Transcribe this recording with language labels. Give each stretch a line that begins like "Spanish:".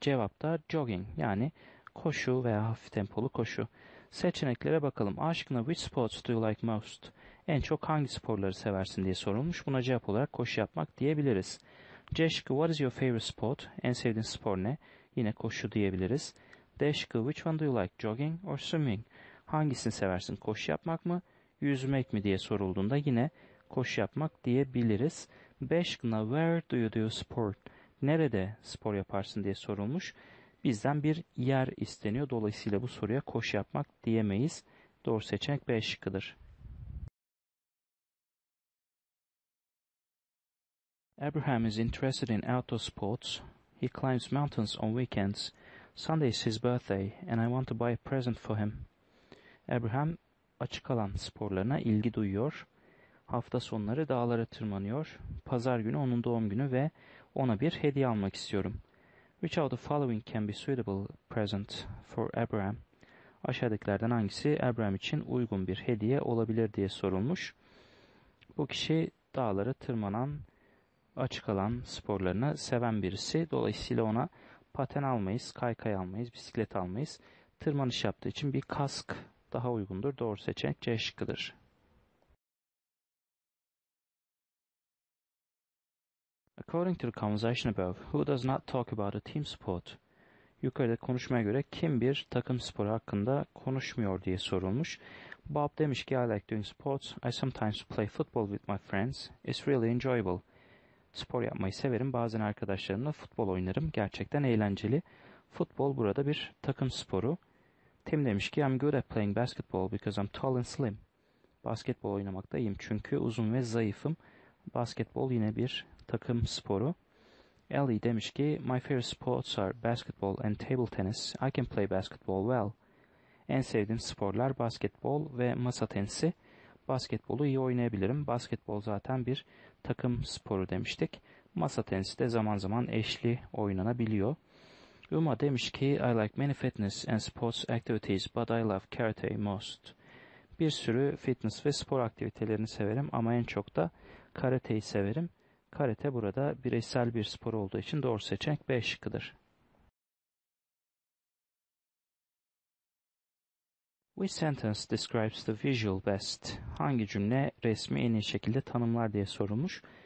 Turkish: Cevap da jogging yani koşu veya hafif tempolu koşu. Seçeneklere bakalım. A şıkkına
English: which sports do you like most?
Turkish: En çok hangi sporları seversin diye sorulmuş. Buna cevap olarak koşu yapmak diyebiliriz. C şıkkı
English: what is your favorite sport?
Turkish: En sevdiğin spor ne? Yine koşu diyebiliriz. D şıkkı
English: which one do you like? Jogging or swimming?
Turkish: Hangisini seversin? Koşu yapmak mı? Yüzmek mi diye sorulduğunda yine koşu yapmak diyebiliriz. B şıkkına
English: where do you do sport?
Turkish: Nerede spor yaparsın diye sorulmuş. Bizden bir yer isteniyor. Dolayısıyla bu soruya koşu yapmak diyemeyiz. Doğru seçenek B şıkkıdır.
English: Abraham is interested in outdoor sports. He climbs mountains on weekends. Sunday is his birthday and I want to buy a present for him.
Turkish: Abraham açık alan sporlarına ilgi duyuyor. Hafta sonları dağlara tırmanıyor. Pazar günü onun doğum günü ve ona bir hediye almak istiyorum.
English: Which of the following can be suitable present for Abraham?
Turkish: Aşağıdakilerden hangisi Abraham için uygun bir hediye olabilir diye sorulmuş. Bu kişi dağlara tırmanan açık alan sporlarını seven birisi. Dolayısıyla ona paten almayız, kaykay almayız, bisiklet almayız. Tırmanış yaptığı için bir kask daha uygundur. Doğru seçenek C şıkkıdır.
English: According to the conversation above, who does not talk about a team sport?
Turkish: Yukarıda konuşmaya göre kim bir takım sporu hakkında konuşmuyor diye sorulmuş. Bob demiş ki,
English: I like doing sports. I sometimes play football with my friends. It's really enjoyable.
Turkish: Spor yapmayı severim. Bazen arkadaşlarımla futbol oynarım. Gerçekten eğlenceli. Futbol burada bir takım sporu. Tim demiş ki,
English: I'm good at playing basketball because I'm tall and slim.
Turkish: Basketbol oynamakta iyiyim çünkü uzun ve zayıfım. Basketbol yine bir takım sporu. Ellie demiş ki,
English: My favorite sports are basketball and table tennis. I can play basketball well.
Turkish: En sevdiğim sporlar basketbol ve masa tenisi. Basketbolu iyi oynayabilirim. Basketbol zaten bir takım sporu demiştik. Masa tenisi de zaman zaman eşli oynanabiliyor. Uma demiş ki,
English: I like many fitness and sports activities, but I love karate most.
Turkish: Bir sürü fitness ve spor aktivitelerini severim ama en çok da karateyi severim. Karate burada bireysel bir spor olduğu için doğru seçenek B şıkkıdır.
English: Which sentence describes the visual best?
Turkish: Hangi cümle resmi en iyi şekilde tanımlar diye sorulmuş.